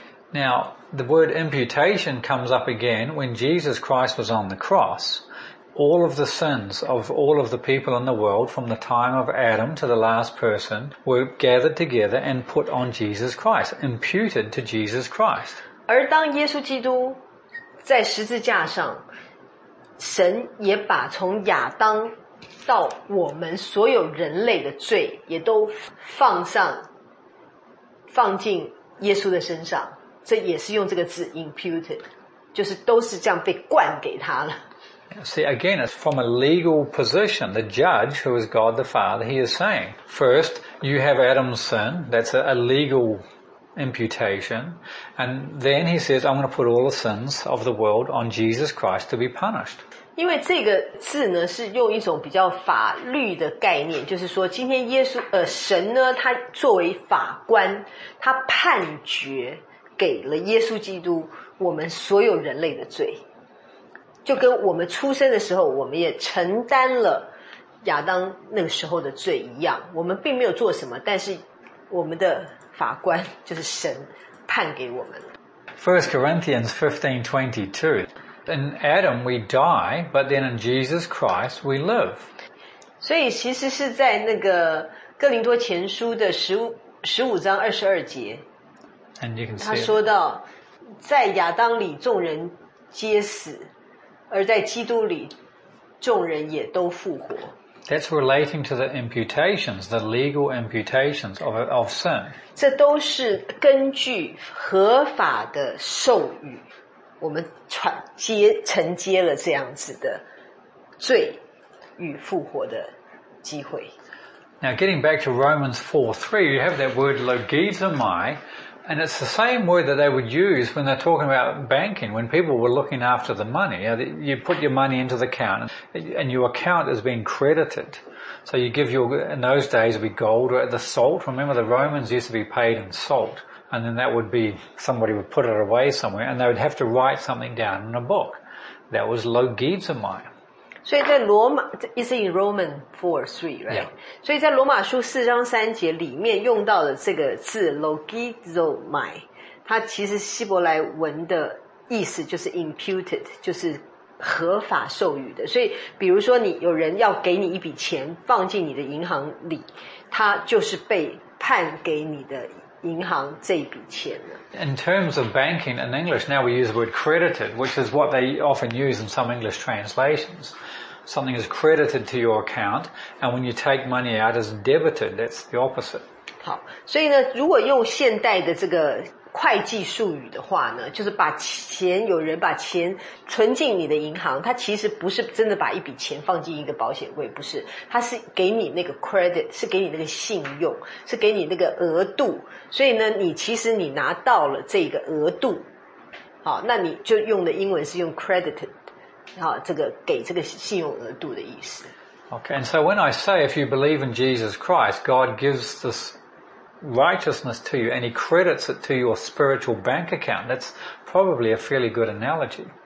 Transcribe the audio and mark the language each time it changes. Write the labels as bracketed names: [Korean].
[English] Now the word imputation comes up again when Jesus Christ was on the cross. All of the sins of all of the people in the world from the time of Adam to the last person were gathered together and put on Jesus Christ, imputed to Jesus Christ. [Chinese] 而当耶稣基督在十字架上，神也把从亚当到我们所有人类的罪也都放进耶稣的身上，这也是用这个字 imputed， 就是都是这样被灌给他了。 [English] See, again, it's from a legal position. The judge, who is God the Father, he is saying, first, you have Adam's sin. That's a legal imputation. And then he says, I'm going to put all the sins of the world on Jesus Christ to be punished. [Chinese] 因为这个字呢，是用一种比较法律的概念，就是说今天耶稣，神呢，他作为法官，他判决给了耶稣基督我们所有人类的罪。就跟我们出生的时候，我们也承担了亚当那个时候的罪一样，我们并没有做什么，但是我们的法官就是神判给我们。 [English] First Corinthians 15:22. In Adam we die, but then in Jesus Christ we live. [Chinese] 所以其实是在那个哥林多前书的15:22. [English] And you can see [Chinese] 他说到，在亚当里众人皆死。而在基督里，众人也都复活。 [English] That's relating to the imputations, the legal imputations of sin. [Chinese] 这都是根据合法的授予，我们承接了这样子的罪与复活的机会。 [English] Now getting back to Romans 4:3, you have that word logizomai. And it's the same word that they would use when they're talking about banking, when people were looking after the money. You put your money into the account and your account is being credited. So you give your, in those days, it would be gold or the salt. Remember the Romans used to be paid in salt. And then that would be, somebody would put it away somewhere and they would have to write something down in a book. That was logizomai. So in Romans, it's in Romans 4:3, right? Yeah. [Chinese] So in Romans 4:3, 里面用到的这个字 logizomai, 它其实希伯来文的意思就是 imputed, 就是合法授予的。所以比如说你有人要给你一笔钱放进你的银行里，它就是被判给你的银行这笔钱呢？ [English] In terms of banking in English, now we use the word credited, which is what they often use in some English translations. Something is credited to your account, and when you take money out, it's debited. That's the opposite. [Chinese] 好，所以呢，如果用现代的这个会计术语的话呢，就是把钱，有人把钱存进你的银行，他其实不是真的把一笔钱放进一个保险柜，不是，他是给你那个 credit， 是给你那个信用，是给你那个额度，所以呢，你其实你拿到了这个额度，好，那你就用的英文是用 credited， 好，这个给这个信用额度的意思。 [English] Okay, and so when I say if you believe in Jesus Christ, God gives this righteousness to you, and he credits it to your spiritual bank account. That's probably a fairly good analogy.